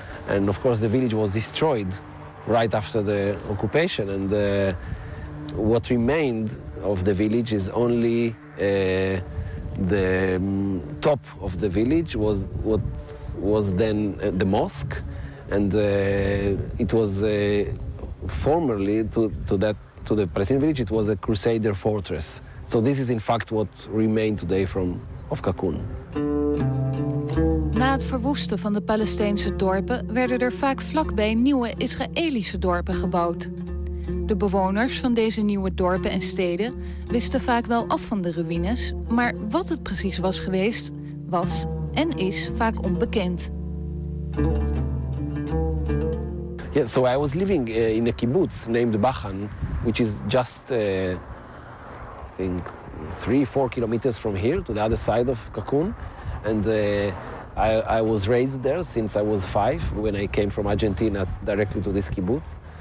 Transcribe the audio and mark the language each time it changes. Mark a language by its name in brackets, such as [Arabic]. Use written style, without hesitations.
[English] And of course the village was destroyed right after the occupation, and what remained of the village is only the top of the village was what was then the mosque, and it was formerly to the Palestinian village, it was a crusader fortress. So this is in fact what remained today from of Kakun. [Dutch] Na het verwoesten van de Palestijnse dorpen werden er vaak vlakbij nieuwe Israëlische dorpen gebouwd. De bewoners van deze nieuwe dorpen en steden wisten vaak wel af van de ruïnes, maar wat het precies was geweest, was en is vaak onbekend. [English] Yeah, so I was living in a kibbutz named Bachan, which is just I think 3-4 kilometers from here to the other side of Kakun, and I was raised there since I was 5 when I came from Argentina directly to this kibbutz.